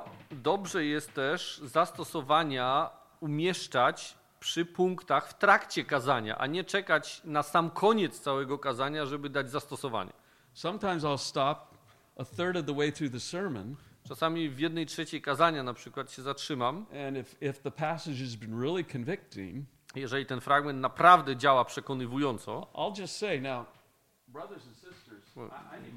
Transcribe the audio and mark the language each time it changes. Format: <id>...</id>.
<pl>Dobrze jest też zastosowania umieszczać przy punktach w trakcie kazania, a nie czekać na sam koniec całego kazania, żeby dać zastosowanie.</pl> <en>Sometimes I'll stop a third of the way through the sermon.</en> <pl>Czasami w jednej trzeciej kazania na przykład się zatrzymam.</pl> <en>And if the passage has been really convicting,</en> <pl>jeżeli ten fragment naprawdę działa przekonywująco,</pl> <en>I'll just say now, brothers and sisters, I need to</en>